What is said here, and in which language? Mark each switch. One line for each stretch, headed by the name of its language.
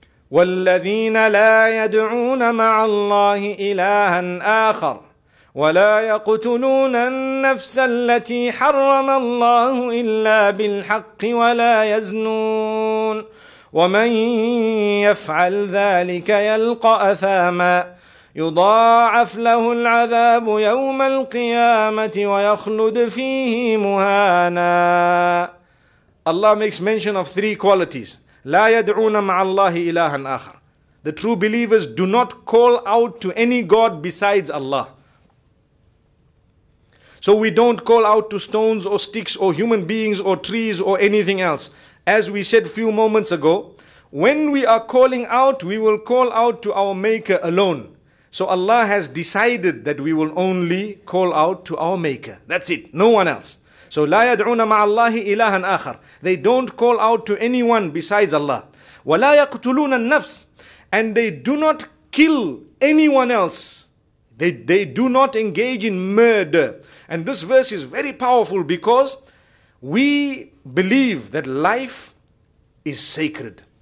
Arabic: وَالَّذِينَ لَا يَدْعُونَ مَعَ اللَّهِ إِلَٰهًا آخَرَ وَلَا يَقْتُلُونَ النَّفْسَ الَّتِي حَرَّمَ اللَّهُ إِلَّا بِالْحَقِّ وَلَا يَزْنُونَ وَمَنْ يَفْعَلْ ذَلِكَ يَلْقَ أَثَامًا يضاعف له العذاب يوم القيامة ويخلد فيه مهانا.
English: Allah makes mention of three qualities.
Arabic: لا يدعون مع الله إلها آخر.
English: The true believers do not call out to any god besides Allah. So we don't call out to stones or sticks or human beings or trees or anything else. As we said a few moments ago, when we are calling out, we will call out to our Maker alone. So Allah has decided that we will only call out to our Maker. That's it. No one else.
Arabic: So لا يدعون مع الله إلها آخر.
English: They don't call out to anyone besides Allah.
Arabic: ولا يقتلون النفس.
English: And they do not kill anyone else. They do not engage in murder. And this verse is very powerful because we believe that life is sacred.